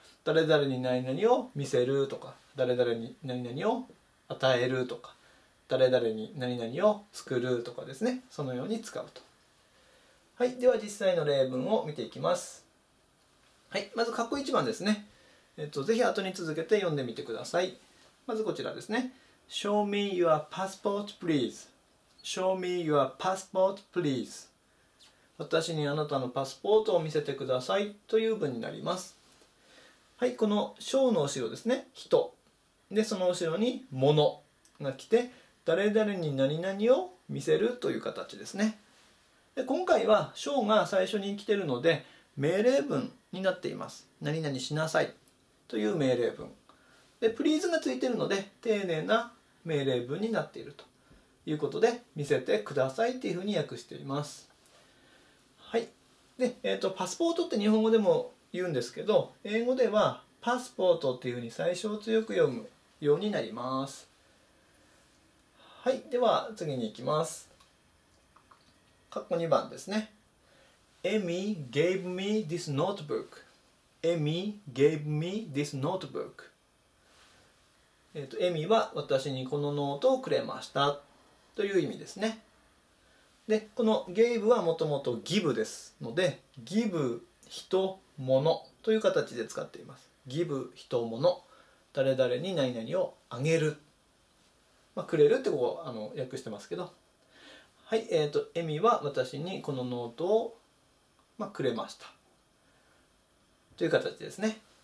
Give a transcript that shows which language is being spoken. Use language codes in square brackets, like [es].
[ja] 誰々に何々を見せるとか、誰々に何々を与えるとか、誰々に何々を作るとかですね、そのように使うと。はい、では実際の例文を見ていきます。はい、まず括弧1番ですね、ぜひ後に続けて読んでみてください。まずこちらですね、 [en] Show me your passport please. Show me your passport please. [ja] 私にあなたのパスポートを見せてくださいという文になります。はい、この Show の後ろですね、人で、その後ろに物が来て、誰々に何々を見せるという形ですね。で今回は章が最初に来ているので命令文になっています。何々しなさいという命令文で、プリーズがついているので丁寧な命令文になっているということで、見せてくださいというふうに訳しています。はい、で、パスポートって日本語でも言うんですけど、英語ではパスポートというふうに最初を強く読むようになります。はい、では次に行きます。括弧2番ですね、 [en] Amy gave me this notebook. Amy gave me this notebook. [ja] Amy は私にこのノートをくれましたという意味ですね。で、この gave はもともと give ですので、 give 人物という形で使っています。 give 人物、誰々に何々をあげる、まあ、くれるってここ訳してますけど、はい、エミは私にこのノートを、まあ、くれましたという形ですね。